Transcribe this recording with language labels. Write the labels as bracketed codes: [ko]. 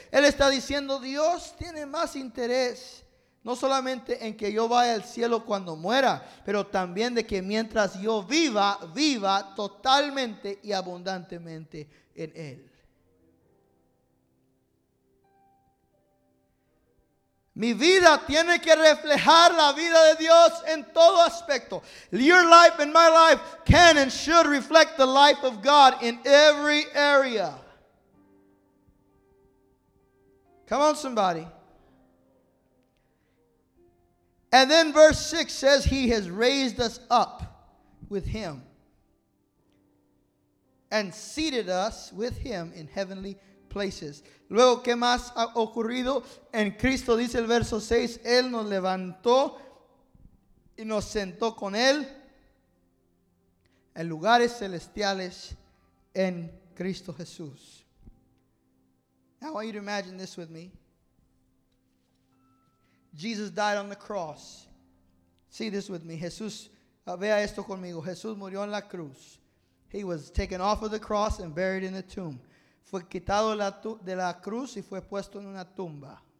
[es] Él está diciendo, Dios tiene más interés, no solamente en que yo vaya al cielo cuando muera, pero también de que mientras yo viva, viva totalmente y abundantemente en Él. Mi vida tiene que reflejar la vida de Dios en todo aspecto. [en] Your life and my life can and should reflect the life of God in every area. Come on, somebody. And then verse 6 says, he has raised us up with him and seated us with him in heavenly places. [es] Luego, ¿qué más ha ocurrido? En Cristo, dice el verso 6, él nos levantó y nos sentó con él en lugares celestiales en Cristo Jesús. [en] Now I want you to imagine this with me. Jesus died on the cross. See this with me. [es] Jesús, vea esto conmigo. Jesús murió en la cruz. [en] He was taken off of the cross and buried in the tomb. [es] Fue quitado de la cruz y fue puesto en una tumba.